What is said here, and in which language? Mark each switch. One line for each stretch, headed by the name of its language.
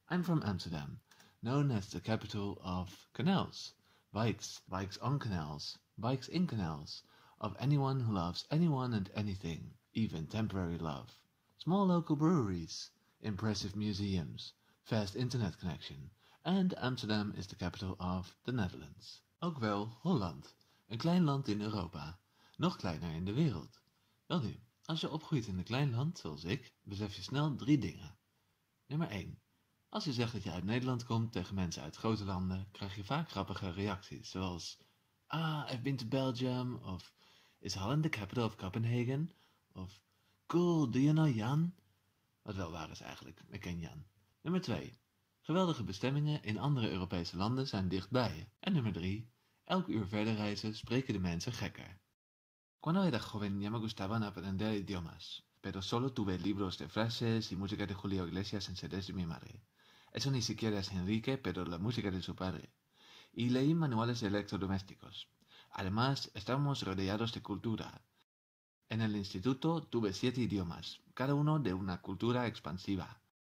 English: I'm from Amsterdam, known as the capital of canals, bikes on canals, bikes in canals, of anyone who loves anyone and anything, even temporary love. Small local breweries, impressive museums, fast internet connection, and Amsterdam is the capital of the Netherlands.
Dutch: Ook wel Holland, een klein land in Europa, nog kleiner in de wereld. Wel nu, als je opgroeit in een klein land, zoals ik, besef je snel drie dingen. Nummer 1. Als je zegt dat je uit Nederland komt tegen mensen uit grote landen, krijg je vaak grappige reacties, zoals
English: I've been to Belgium,
Dutch: of
English: Is Holland the capital of Copenhagen?
Dutch: Of
English: Cool, do you know Jan?
Dutch: Wat wel waar is eigenlijk, ik ken Jan. Nummer 2. Geweldige bestemmingen in andere Europese landen zijn dichtbij. En nummer 3. Elk uur verder reizen spreken de mensen gekker.
Spanish: Cuando era joven ya me gustaba aprender idiomas. Pero solo tuve libros de frases y música de Julio Iglesias en CDs de mi madre. Eso ni siquiera es Enrique, pero la música de su padre. Y leí manuales de electrodomésticos. Además, estábamos rodeados de cultura. En el instituto tuve 7 idiomas, cada uno de una cultura expansiva.